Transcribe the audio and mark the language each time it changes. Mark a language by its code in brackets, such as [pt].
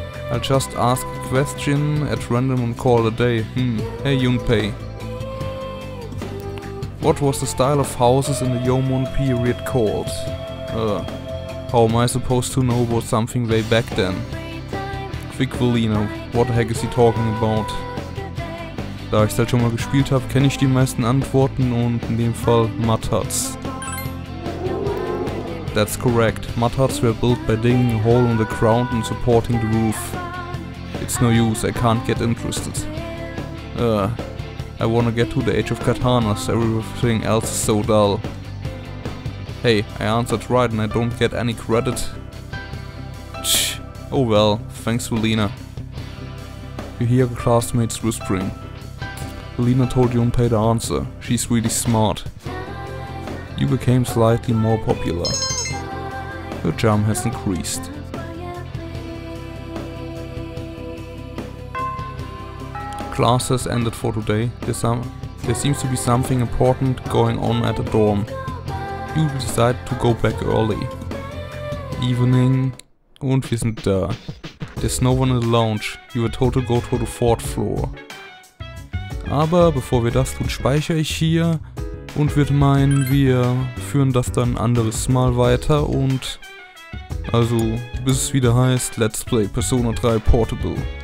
[en] I'll just ask a question at random and call a day. Hey Junpei. What was the style of houses in the Yomon period called? How am I supposed to know about something way back then? Quick, Velina, what the heck is he talking about? [de] Da ich das schon mal gespielt habe, kenne ich die meisten Antworten und in dem Fall Mud Huts. [en] That's correct. Mud Huts were built by digging a hole in the ground and supporting the roof. It's no use, I can't get interested. I wanna get to the Age of Katanas, everything else is so dull. Hey, I answered right and I don't get any credit. Oh well, thanks Velina. You hear the classmates whispering. Velina told Junpei the answer, she's really smart. You became slightly more popular. Your jump has increased. Classes ended for today. There seems to be something important going on at the dorm. You decide to go back early. Evening. [de] Und wir sind da. [en] There's no one in the lounge. You were told to go to the fourth floor. [de] Aber bevor wir das tun, speichere ich hier und würde meinen, wir führen das dann ein anderes Mal weiter und also bis es wieder heißt, Let's Play Persona 3 Portable.